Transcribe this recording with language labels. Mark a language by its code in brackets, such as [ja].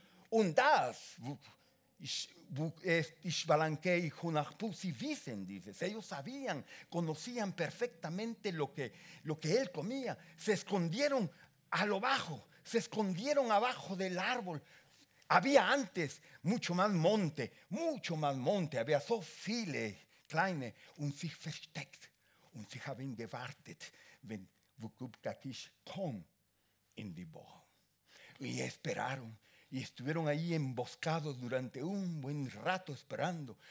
[de] Und das, ich balanque, ich und Apu, sie wissen dieses. [es] Ellos sabían, conocían perfectamente lo que él comía. Se escondieron a lo bajo, se escondieron abajo del árbol. Había antes mucho más monte, había [de] so viele kleine, und sich versteckt, und sie haben gewartet, wenn Bukub Kakish kom in die Baum. [es] Y esperaron, y estuvieron ahí emboscados durante un buen rato esperando.